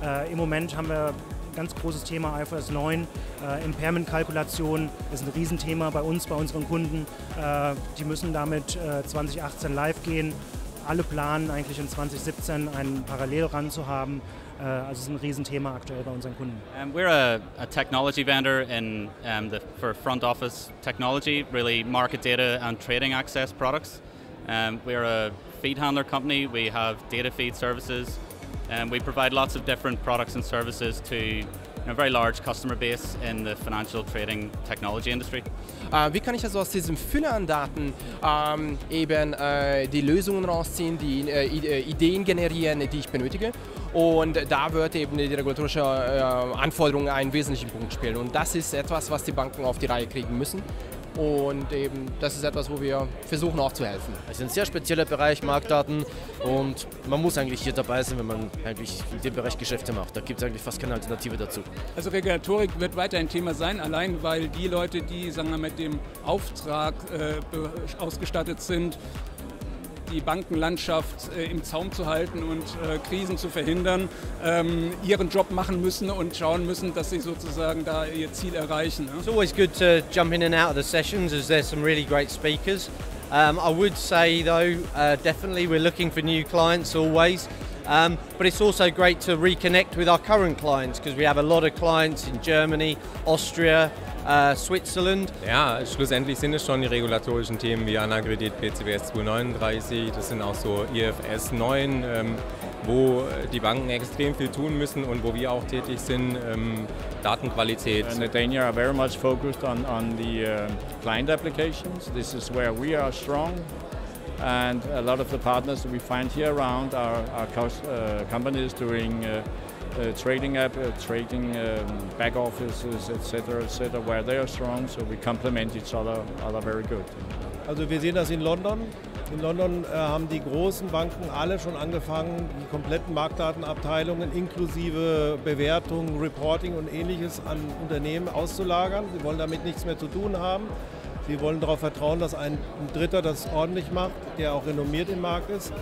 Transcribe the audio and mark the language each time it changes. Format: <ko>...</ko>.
<de>Im Moment haben wir ein ganz großes Thema IFRS 9, Impairment-Kalkulation ist ein Riesenthema bei uns, bei unseren Kunden. Die müssen damit 2018 live gehen. Alle planen eigentlich in 2017 einen Parallelrun zu haben. Also es ist ein Riesenthema aktuell bei unseren Kunden.</de> <en>We're a technology vendor in for front office technology, really market data and trading access products. We're a feed handler company. We have data feed services, and we provide lots of different products and services to a very large customer base in the financial trading technology industry.</en> <de>Wie kann ich also aus diesem Fülle an Daten eben die Lösungen rausziehen, die Ideen generieren, die ich benötige? Und da wird eben die regulatorische Anforderung einen wesentlichen Punkt spielen. Und das ist etwas, was die Banken auf die Reihe kriegen müssen. Und eben das ist etwas, wo wir versuchen auch zu helfen. Es ist ein sehr spezieller Bereich, Marktdaten. Und man muss eigentlich hier dabei sein, wenn man eigentlich in dem Bereich Geschäfte macht. Da gibt es eigentlich fast keine Alternative dazu. Also Regulatorik wird weiter ein Thema sein, allein weil die Leute, die sagen wir, mit dem Auftrag ausgestattet sind, die Bankenlandschaft im Zaum zu halten und Krisen zu verhindern, ihren Job machen müssen und schauen müssen, dass sie sozusagen da ihr Ziel erreichen.</de> <en>It's always good to jump in and out of the sessions as there's some really great speakers. I would say though, definitely we're looking for new clients always, but it's also great to reconnect with our current clients because we have a lot of clients in Germany, Austria, Switzerland.</en> <de>Ja, schlussendlich sind es schon die regulatorischen Themen wie Anakredit, PCBS 239, das sind auch so IFRS 9, wo die Banken extrem viel tun müssen und wo wir auch tätig sind, Datenqualität.</de> <en>And the Dania are very much focused on the client applications. This is where we are strong. And a lot of the partners that we find here around are companies doing trading app, trading back offices, etc., etc., where they are strong, so we complement each other very good.</en> <de>Also wir sehen das in London. In London haben die großen Banken alle schon angefangen, die kompletten Marktdatenabteilungen inklusive Bewertung, Reporting und ähnliches an Unternehmen auszulagern. Sie wollen damit nichts mehr zu tun haben. Sie wollen darauf vertrauen, dass ein Dritter das ordentlich macht, der auch renommiert im Markt ist.</de>